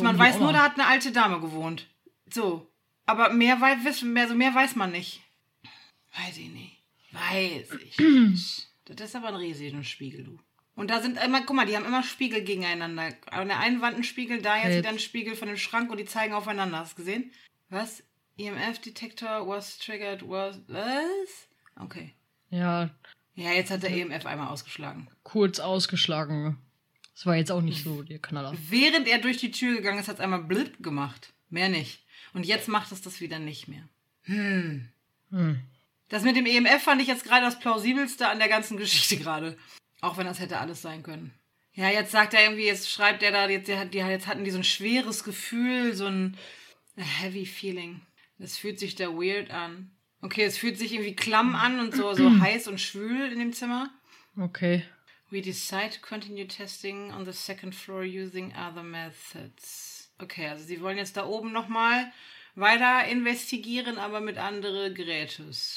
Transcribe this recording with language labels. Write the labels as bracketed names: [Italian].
[German] Man weiß nur, da hat eine alte Dame gewohnt. So. Aber mehr weiß man nicht. Weiß ich nicht. Weiß ich. Das ist aber ein riesiger Spiegel, du. Und da sind immer, guck mal, die haben immer Spiegel gegeneinander. An der einen Wand ein Spiegel, da jetzt wieder ein Spiegel von dem Schrank und die zeigen aufeinander. Hast du gesehen? Was? [English] EMF-Detector was triggered, was? [German] Was? Okay. Ja. Ja, jetzt hat der EMF einmal ausgeschlagen. Kurz ausgeschlagen. Das war jetzt auch nicht so, der Knaller. Während er durch die Tür gegangen ist, hat es einmal blip gemacht. Mehr nicht. Und jetzt macht es das wieder nicht mehr. Das mit dem EMF fand ich jetzt gerade das Plausibelste an der ganzen Geschichte gerade. Auch wenn das hätte alles sein können. Ja, jetzt sagt er irgendwie, jetzt schreibt er da, jetzt hatten die so ein schweres Gefühl, so ein [English] heavy feeling. [German] Es fühlt sich da weird an. Okay, es fühlt sich irgendwie klamm an und so heiß und schwül in dem Zimmer. Okay. [English] We decide to continue testing on the second floor using other methods. [German] Okay, also sie wollen jetzt da oben nochmal weiter investigieren, aber mit anderen Geräten.